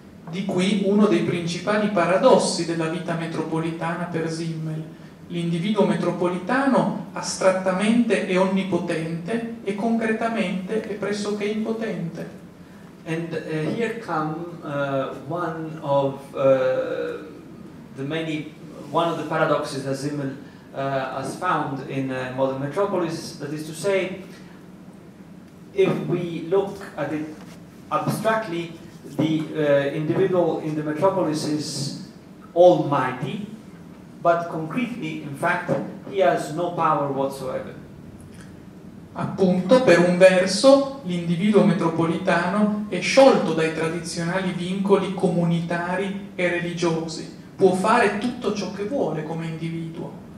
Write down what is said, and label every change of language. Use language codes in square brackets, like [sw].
[it] Di qui uno dei principali paradossi della vita metropolitana per Simmel. L'individuo metropolitano astrattamente è onnipotente e concretamente è pressoché impotente. [en] And here come one of the many one of the paradoxes that Simmel has found in modern metropolis, that is to say, if we look at it abstractly, the individual in the metropolis is almighty, but concretely, in fact, he has no power whatsoever. [it] Appunto, per un verso, l'individuo metropolitano è sciolto dai tradizionali vincoli comunitari e religiosi. Può fare tutto ciò che vuole come individuo.